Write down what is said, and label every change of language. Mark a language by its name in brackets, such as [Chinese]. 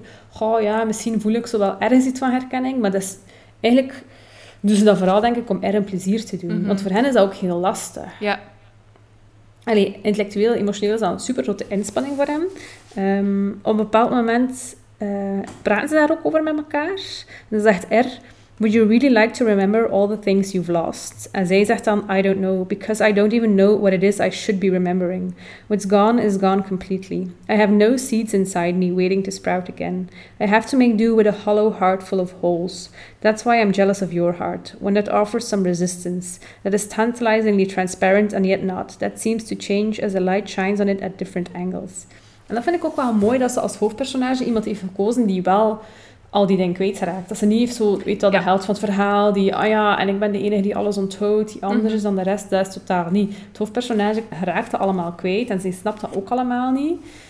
[Dutch] goh, ja, misschien voel ik zo wel ergens iets van herkenning. Maar dat is eigenlijk... Dus dat vooral, denk ik, om er een plezier te doen. Mm-hmm. Want voor hen is dat ook heel lastig. Ja. Allee, intellectueel, emotioneel is dat een super grote inspanning voor hem. Op een bepaald moment praten ze daar ook over met elkaar. En dan zegt R, [English] would you really like to remember all the things you've lost? [Dutch] En zij zegt dan, [English] I don't know, because I don't even know what it is I should be remembering. What's gone is gone completely. I have no seeds inside me waiting to sprout again. I have to make do with a hollow heart full of holes. That's why I'm jealous of your heart, one that offers some resistance, that is tantalizingly transparent and yet not, that seems to change as the light shines on it at different angles. [Dutch] En dat vind ik ook wel mooi dat ze als hoofdpersonage iemand heeft gekozen die wel... al die dingen kwijtgeraakt. Dat ze niet heeft zo, weet wel, de held van het verhaal, die, ah ja, en ik ben de enige die alles onthoudt, die anders is dan de rest, dat is totaal niet. Het hoofdpersonage raakte allemaal kwijt en ze snapt dat ook allemaal niet.